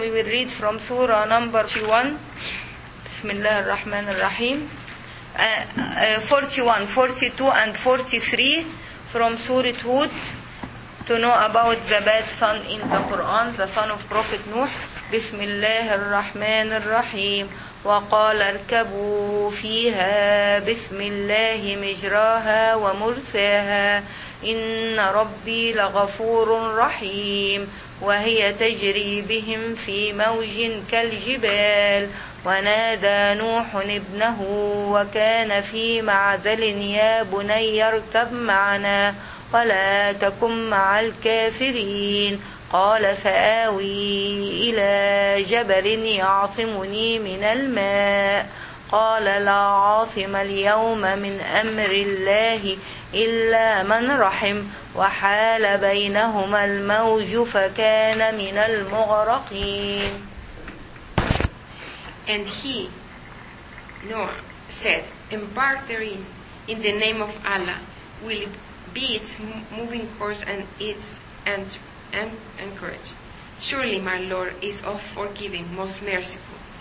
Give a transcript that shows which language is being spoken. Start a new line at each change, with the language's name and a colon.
English: We will read from Surah number 41.
Arabic: Bismillah ar-Rahman ar-Rahim.
English: 41, 42 and 43 from Surah Hud, to know about the bad son in the Quran, the son of Prophet Nuh.
Arabic: Bismillah ar-Rahman ar-Rahim. وقال اركبوا فيها بسم الله مجراها ومرساها إن ربي لغفور رحيم وهي تجري بهم في موج كالجبال ونادى نوح ابنه وكان في معزل يا بني اركب معنا ولا تكن مع الكافرين قال سآوي إلى جبل يعصمني من الماء قال لا عاصم اليوم من أمر الله إلا من رحم وحال بينهما الموج فكان من المغرقين.
English: And he, Noah, said, embark therein in the name of Allah, will be its moving course and its anchorage. Surely my Lord is of forgiving, most merciful.